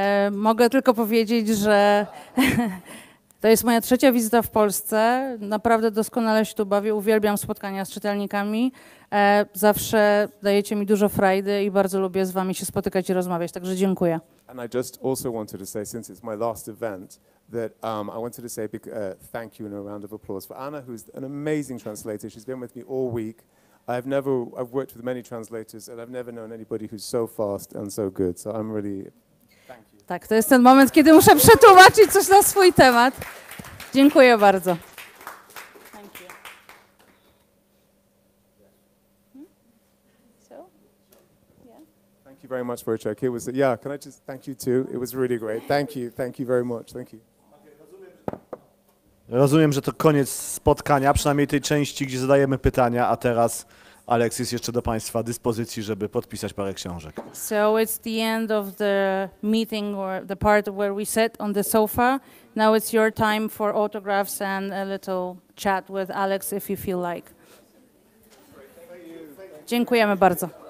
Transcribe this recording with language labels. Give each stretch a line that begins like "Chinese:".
Polish: Mogę tylko powiedzieć, że to jest moja trzecia wizyta w Polsce. Naprawdę doskonale się tu bawię. Uwielbiam spotkania z czytelnikami. Zawsze dajecie mi dużo frajdy i bardzo lubię z wami się spotykać i rozmawiać. Także dziękuję.
English: And I just also wanted to say, since it's my last event, that I wanted to say thank you and a round of applause for Anna, who's an amazing translator. She's been with me all week. I've worked with many translators and I've never known anybody who's so fast and so good. So I'm really
Polish: Tak, to jest ten moment, kiedy muszę przetłumaczyć coś na swój temat. Dziękuję bardzo.
English: Thank you. Thank you very much for your check. Can I just thank you too? It was really great. Thank you very much. Thank you.
Polish: Rozumiem, że to koniec spotkania, przynajmniej tej części, gdzie zadajemy pytania, a teraz Alex jest jeszcze do Państwa dyspozycji, żeby podpisać parę książek.
English: So it's the end of the meeting or the part where we sit on the sofa. Now it's your time for autographs and a little chat with Alex if you feel like.
Polish: Dziękujemy bardzo.